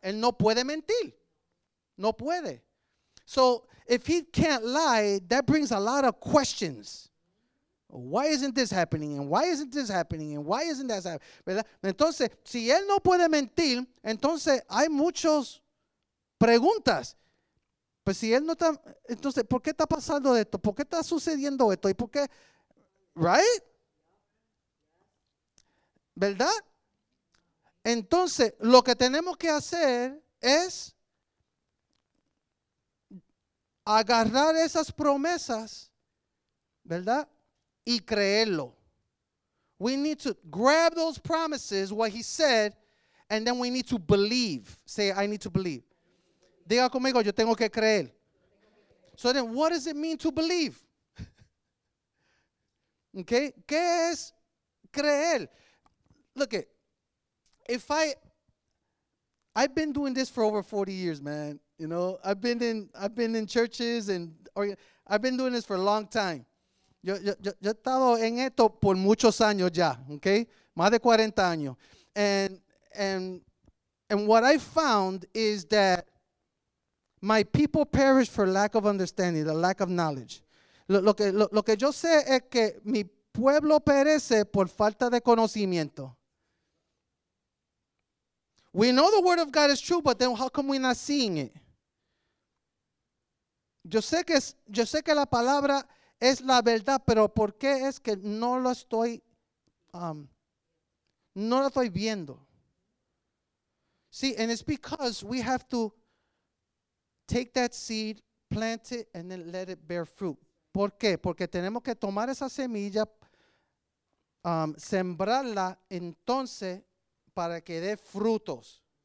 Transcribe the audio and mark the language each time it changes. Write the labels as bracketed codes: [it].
[es] Él no puede mentir. No puede. [en] So, if he can't lie, that brings a lot of questions. Why isn't this happening? And why isn't this happening? And why isn't that happening? [es] ¿Verdad? Entonces, si él no puede mentir, entonces hay muchas preguntas. Pues si él no está, entonces, ¿por qué está pasando esto? ¿Por qué está sucediendo esto? ¿Y por qué? [en] Right? [es] ¿Verdad? Entonces, lo que tenemos que hacer es agarrar esas promesas, ¿verdad? Y creerlo. [en] We need to grab those promises, what he said, and then we need to believe. Say, I need to believe. [es] Diga conmigo, yo tengo que creer. [en] So then, what does it mean to believe? [es] Okay? ¿Qué es creer? [en] Look it. I've been doing this for over 40 years, man. You know, I've been in churches I've been doing this for a long time. [es] Yo he estado en esto por muchos años ya, okay? Más de 40 años. [en] And what I found is that my people perish for lack of understanding, the lack of knowledge. [es] Lo que yo sé es que mi pueblo perece por falta de conocimiento. [en] We know the word of God is true, but then how come we're not seeing it? [es] Yo sé que la palabra es la verdad, pero ¿por qué es que no lo estoy no lo estoy viendo? [en] See, and it's because we have to take that seed, plant it, and then let it bear fruit. [es] ¿Por qué? Porque tenemos que tomar esa semilla, sembrarla, entonces, para que dé frutos.